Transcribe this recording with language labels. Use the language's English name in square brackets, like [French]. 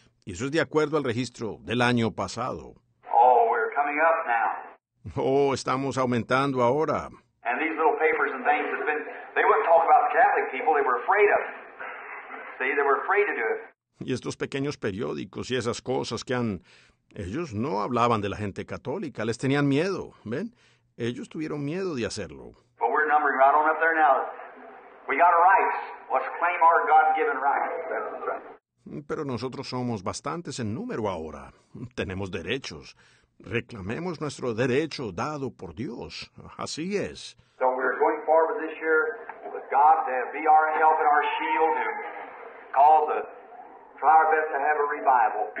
[Spanish] Y eso es de acuerdo al registro del año pasado. [English] Oh, we're coming up now. [Spanish] Oh, estamos aumentando ahora. [English] And these little papers and things have been, they wouldn't talk about the Catholic people, they were afraid of. See, they were afraid to do it. [Spanish] Y estos pequeños periódicos y esas cosas que han, ellos no hablaban de la gente católica, les tenían miedo, ¿ven? Ellos tuvieron miedo de hacerlo. [English] But we're numbering right on up there now. We got our rights. Let's claim our God-given rights. That's right. [Spanish] Pero nosotros somos bastantes en número ahora. Tenemos derechos. Reclamemos nuestro derecho dado por Dios. Así es. [English] So we're going forward this year with God to be our help and our shield and cause to try our best to have a revival.